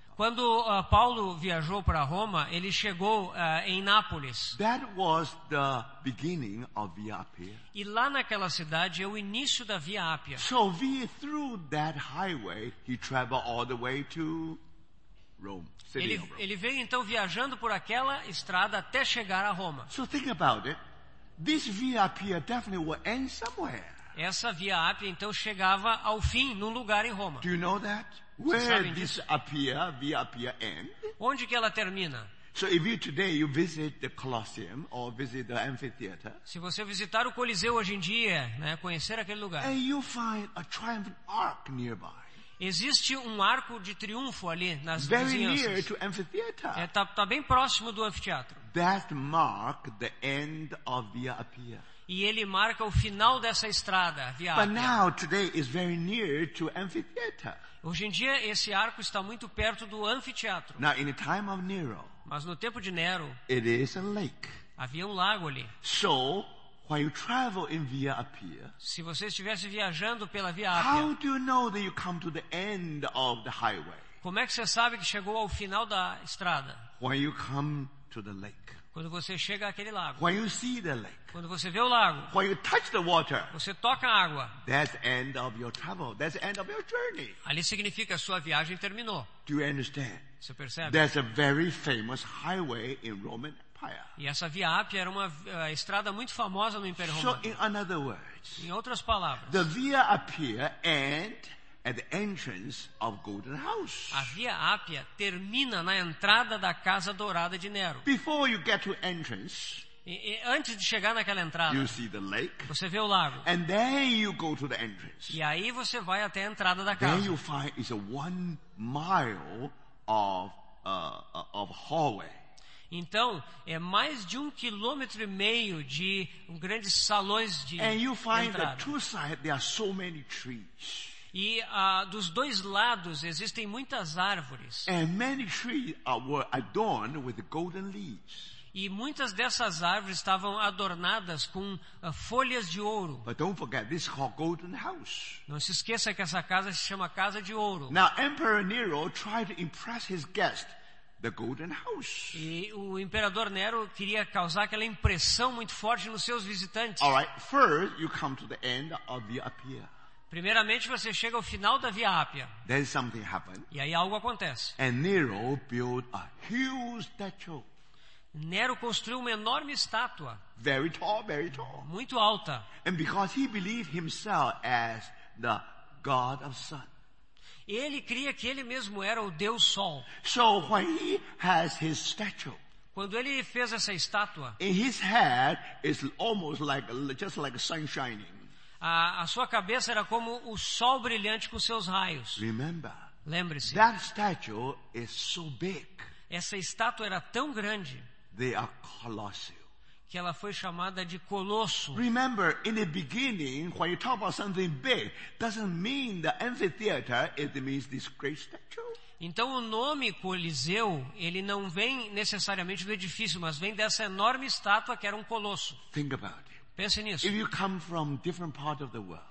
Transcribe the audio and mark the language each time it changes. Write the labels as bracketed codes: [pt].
[pt] Quando Paulo viajou para Roma, ele chegou em Nápoles. [en] That was the beginning of Via Appia. [pt] E lá naquela cidade é o início da Via Appia. [en] So via through that highway, he traveled all the way to Rome. City [pt] ele [en] of Rome. [pt] Ele veio então viajando por aquela estrada até chegar a Roma. [en] So think about it. This Via Appia definitely will end somewhere. [pt] Essa Via Appia então chegava ao fim num lugar em Roma. [en] Do you know that? Where this Appia, Via Appia end? [pt] Onde que ela termina? [en] So if you today you visit the Colosseum or visit the amphitheater. [pt] Se você visitar o Coliseu hoje em dia, né, conhecer aquele lugar. [en] And you find a triumphant arc nearby. [pt] Existe um arco de triunfo ali nas [en] Very near to amphitheater. [pt] Tá bem próximo do anfiteatro. [en] That mark the end of Via Appia. [pt] E ele marca o final dessa estrada, via Ápia. [en] But now, today is very near to amphitheater. [pt] Hoje em dia, esse arco está muito perto do anfiteatro. [en] Now, in the time of Nero, [pt] mas no tempo de Nero, [en] it is a lake. [pt] Havia um lago ali. [en] So, while you travel in Via Appia, [pt] se você estivesse viajando pela Via Ápia, [en] how do you know that you come to the end of the highway? [pt] Como é que você sabe que chegou ao final da estrada? [en] When you come to the lake. [pt] Quando você chega àquele lago. [en] When you see the lake. [pt] Quando você vê o lago. [en] When you touch the water. [pt] Você toca a água. [en] That's the end of your travel. That's the end of your journey. [pt] Ali significa a sua viagem terminou. [en] Do you understand? [pt] Você percebe? [en] There's a very famous highway in Roman Empire. [pt] E essa Via Ápia era uma estrada muito famosa no Império Romano. [en] So in other words. [pt] Em outras palavras. [en] The Via Appia and at the entrance of Golden House. [pt] A Via Ápia termina na entrada da Casa Dourada de Nero. [en] Before you get to entrance, [pt] e antes de chegar naquela entrada, [en] you see the lake, [pt] você vê o lago. [en] And then you go to the entrance. [pt] E aí você vai até a entrada da casa. [en] Then you find it's a 1 mile of hallway. [pt] Então, é mais de 1,5 km de grandes salões de entrada. [en] And you find [pt] entrada. [en] That two sides there are so many trees. [pt] E dos dois lados existem muitas árvores. [en] And many trees were adorned with golden leaves. [pt] E muitas dessas árvores estavam adornadas com folhas de ouro. [en] But don't forget, this is called Golden House. [pt] Não se esqueça que essa casa se chama Casa de Ouro. [en] Now, Emperor Nero tried to impress his guest. The Golden House. [pt] E o imperador Nero queria causar aquela impressão muito forte nos seus visitantes. [en] All right, first you come to the end of Via Appia. [pt] Primeiramente você chega ao final da Via Appia. [en] Then something happened. [pt] E aí algo acontece. [en] And Nero built a huge statue. [pt] Nero construiu uma enorme estátua. [en] Very tall, very tall. [pt] Muito alta. [en] And because he believed himself as the God of Sun. [pt] Ele cria que ele mesmo era o Deus Sol. [en] So when he has his statue, [pt] quando ele fez essa estátua, [en] in his head is almost like just like sun shining. [pt] A sua cabeça era como o sol brilhante com seus raios. [en] Remember, [pt] lembre-se. [en] That statue is so big. [pt] Essa estátua era tão grande. [en] They are colossal. [pt] Que ela foi chamada de colosso. [en] Remember, in the beginning, when you talk about something big, doesn't mean the amphitheater, it means this great statue. [pt] Então o nome Coliseu, ele não vem necessariamente do edifício, mas vem dessa enorme estátua que era um colosso. [en] Think about it. [pt] Pense nisso. [en] If you come from different parts of the world,